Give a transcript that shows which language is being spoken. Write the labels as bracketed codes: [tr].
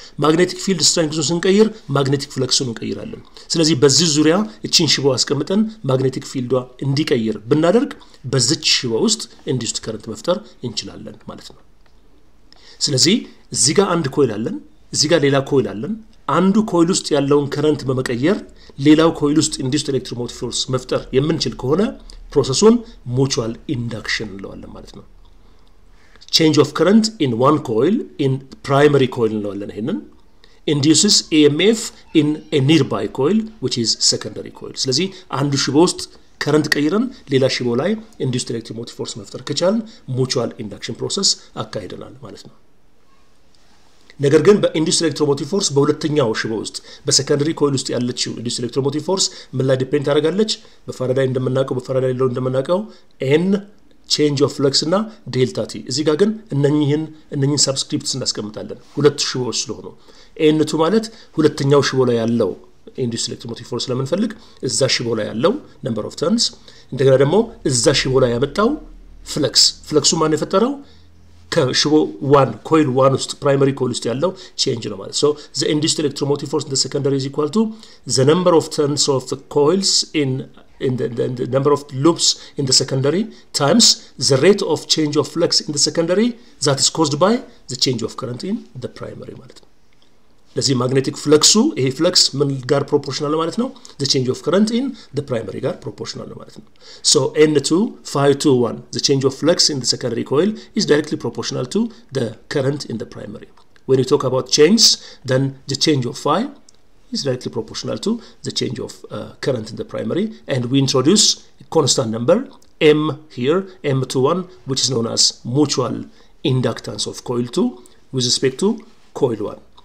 [am] ማግኔቲክ ፊልድ ስትሬንግ ዞን ስንቀይር ማግኔቲክ ፍለክሱን እንቀይራለን. ስለዚህ በዚህ ዙሪያ እቺን ሽቦ አስቀምጠን ማግኔቲክ ፊልዷ እንዲቀየር ብናደርግ በዚህ ሽቦ ውስጥ ኢንዱስድ ከረንት መፍጠር እንችላለን ማለት ነው. ስለዚህ እዚህ ጋር አንድ coil አለን, እዚህ ጋር ሌላ coil አለን. አንዱ coil ውስጥ ያለውን current በመቀየር ሌላው coil ውስጥ induced electromotive force መፍጠር የምንችል ከሆነ ፕሮሰሱን mutual induction እንለዋለን ማለት ነው. [en] change of current in one coil in primary coil እንለዋለን. ይሄንን induces emf in a nearby coil which is secondary coil. [am] ስለዚህ አንዱ ሽቦ ውስጥ current ቀይረን ሌላ ሽቦ ላይ induced electromotive force መፍጠር ከቻልን mutual induction process አካሂደናል ማለት ነው. ነገር ግን በኢንዱስ ኤሌክትሮሞቲቭ ፎርስ በሁለተኛው ሽቦ ውስጥ በሰከንደሪ ኮይል ውስጥ ያለችው ኢንዱስ ኤሌክትሮሞቲቭ ፎርስ ምን ላይ ዲፔንድ ታደርጋለች? በፋራዳይ እንደምናቀው, በፋራዳይ ሌላው እንደምናቀው n change of flux እና delta t. እዚህ ጋር ግን እነኚህን ሰብስክሪፕትስ እናስቀምጣለን ሁለት ሽቦዎች ስለሆኑ. n2 ማለት ሁለተኛው ሽቦ ላይ ያለው ኢንዱስ ኤሌክትሮሞቲቭ ፎርስ ለምንፈልግ እዛ ሽቦ ላይ ያለው number of turns, እንደገና ደግሞ እዛ ሽቦ ላይ ያመጣው flux, ፍለክሱ ማን የፈጠረው? ከሽቦ 1 coil 1 ውስጥ primary coil ውስጥ ያለው change ነው ማለት. [en] so the induced electromotive force in the secondary is equal to the number of turns of the coils in the number of loops in the secondary times the rate of change of flux in the secondary that is caused by the change of current in the primary ማለት. [am] ለዚህ magnetic fluxu ይሄ flux ምን ጋር proportional ነው ማለት ነው? [en] the change of current in the primary ጋር proportional ነው ማለት ነው. so n2 phi 21 the change of flux in the secondary coil is directly proportional to the current in the primary. when you talk about change, then the change of phi is directly proportional to the change of current in the primary, and we introduce a constant number m here, m21, which is known as mutual inductance of coil 2 with respect to coil 1.